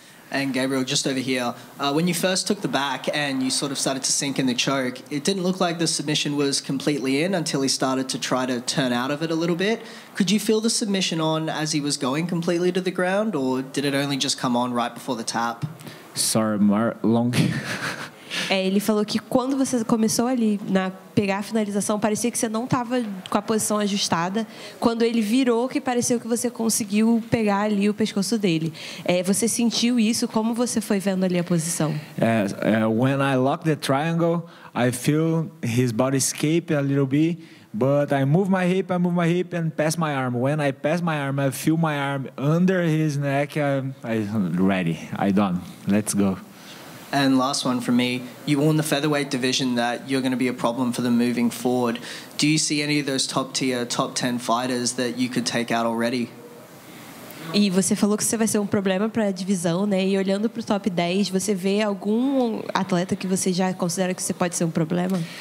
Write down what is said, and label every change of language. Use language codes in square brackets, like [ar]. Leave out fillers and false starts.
[en] And Gabriel, just over here, when you first took the back and you sort of started to sink in the choke, it didn't look like the submission was completely in until he started to try to turn out of it a little bit. Could you feel the submission on as he was going completely to the ground, or did it only just come on right before the tap? Sorry, Mark, long. [pt] Ele falou que quando você começou ali na pegar a finalização, parecia que você não estava com a posição ajustada. Quando ele virou, que pareceu que você conseguiu pegar ali o pescoço dele. Você sentiu isso? Como você foi vendo ali a posição? [en] When I locked the triangle, I feel his body escape a little bit, but I move my hip and pass my arm. When I pass my arm, I feel my arm under his neck. I'm ready. I'm done. Let's go. And last one from me, you warned the featherweight division that you're going to be a problem for them moving forward. Do you see any of those top tier, top 10 fighters that you could take out already? [pt] E você falou que você vai ser um problema para a divisão, né? E olhando para o top 10, você vê algum atleta que você já considera que você pode ser um problema?